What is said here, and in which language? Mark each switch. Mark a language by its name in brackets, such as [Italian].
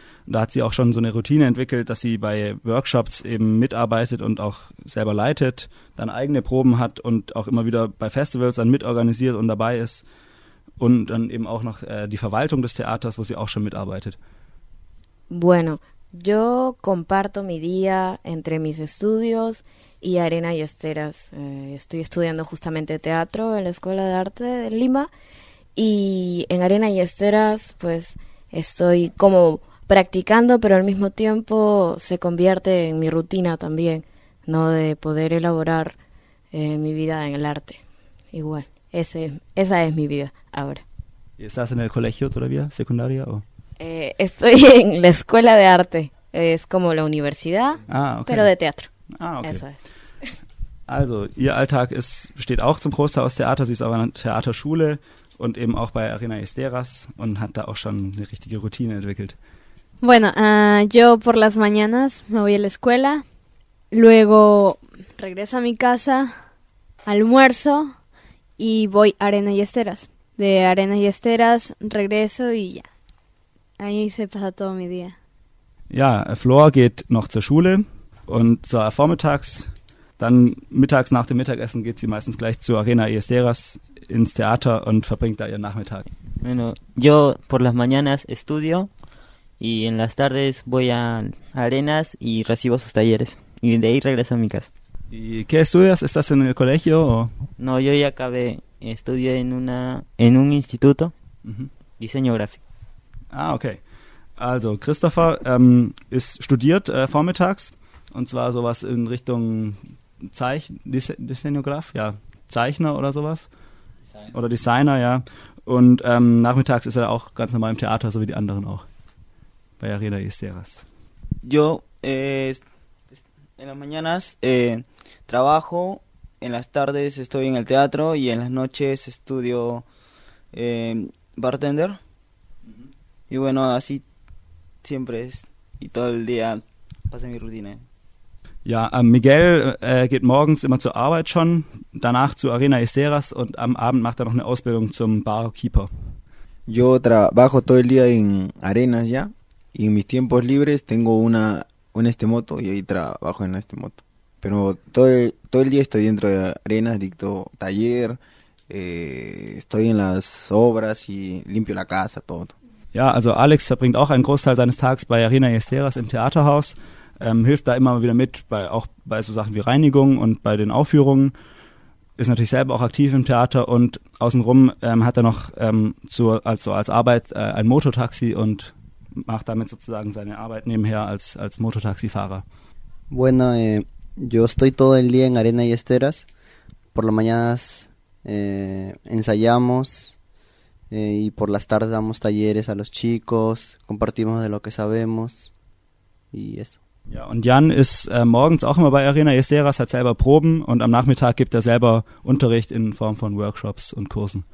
[German] Und da hat sie auch schon so eine Routine entwickelt, dass sie bei Workshops eben mitarbeitet und auch selber leitet, dann eigene Proben hat und auch immer wieder bei Festivals dann mitorganisiert und dabei ist. Und dann eben auch noch die Verwaltung des Theaters, wo sie auch schon mitarbeitet. [Spanish] Bueno, Yo comparto mi día entre mis estudios y Arena y Esteras. Estoy estudiando justamente teatro en la Escuela de Arte de Lima. Y en Arena y Esteras, pues, estoy como practicando, pero al mismo tiempo se convierte en mi rutina también, ¿no? De poder elaborar mi vida en el arte. Igual, esa es mi vida ahora. ¿Y estás en el colegio todavía, secundaria o...? Estoy en la Escuela de Arte, es como la universidad, pero de teatro. Ah, okay. Eso es. [German] Also, ihr Alltag ist, besteht auch zum Großteil aus Theater, sie ist aber an der Theaterschule und eben auch bei Arena Esteras und hat da auch schon eine richtige Routine entwickelt. [Spanish] Bueno, yo por las mañanas me voy a la escuela, luego regreso a mi casa, almuerzo y voy a Arena y Esteras. De Arena y Esteras regreso y ya. Ahí se pasa todo mi día. [German] Ja, Flor geht noch zur Schule und zwar vormittags. Dann mittags nach dem Mittagessen geht sie meistens gleich zur Arena y Esteras ins Theater und verbringt da ihren Nachmittag. [Spanish] Bueno, yo por las mañanas estudio. Y en las tardes voy a Arenas y recibo sus talleres. Y de ahí regreso a mi casa. ¿Y qué estudias? ¿Estás en el colegio o...? No, yo ya acabé. Estudio en un instituto. Uh-huh. Diseño gráfico. Ah, okay. [German] Also, Christopher ist studiert vormittags. Und zwar sowas in Richtung Diseñograf, ja, Zeichner oder sowas. Designer. Oder Designer, ja. Und nachmittags ist er auch ganz normal im Theater, so wie die anderen auch. Bei Arena y Esteras. [Spanish] Yo en las mañanas trabajo, en las tardes estoy en el teatro y en las noches estudio bartender. Y bueno, así siempre es y todo el día pasa mi rutina. [German] Ja, Miguel geht morgens immer zur Arbeit schon, danach zu Arena y Esteras und am Abend macht er noch eine Ausbildung zum Barkeeper. [Spanish] Yo trabajo todo el día en Arenas ya. Y en mis tiempos libres tengo una este moto y ahí trabajo en este moto. Pero todo el día estoy dentro de Arenas, dicto taller, estoy en las obras y limpio la casa, todo. [German] Ja, also Alex verbringt auch einen Großteil seines Tages bei Arena y Esteras im Theaterhaus, hilft da immer wieder mit, auch bei so Sachen wie Reinigung und bei den Aufführungen. Ist natürlich selber auch aktiv im Theater und außenrum hat er noch als Arbeit ein Mototaxi und macht damit sozusagen seine Arbeit nebenher als Mototaxifahrer. [Spanish] Bueno, yo estoy todo el día en Arena y Esteras. Por las mañanas ensayamos y por las tardes damos talleres a los chicos, compartimos de lo que sabemos y eso. [German] Ja, und Jan ist morgens auch immer bei Arena y Esteras, hat selber Proben und am Nachmittag gibt er selber Unterricht in Form von Workshops und Kursen.